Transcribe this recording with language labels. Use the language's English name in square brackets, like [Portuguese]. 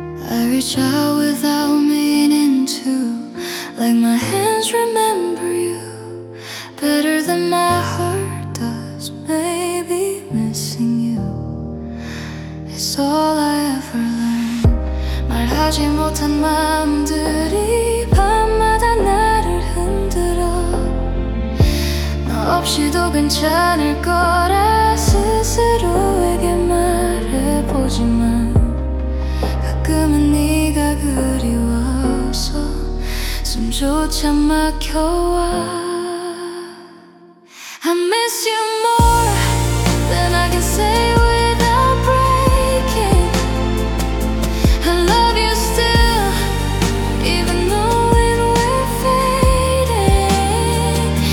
[English] I reach out without meaning to, like my hands remember you better than my heart does. Maybe missing you is all I ever learn. [Korean] 말하지 못한 마음들이 밤마다 나를 흔들어. 너 없이도 괜찮을 거라 스스로에게 말해보지만 가끔은 네가 그리워서 숨조차 막혀와. [English] I miss you more than I can say without breaking. I love you still, even knowing we're fading.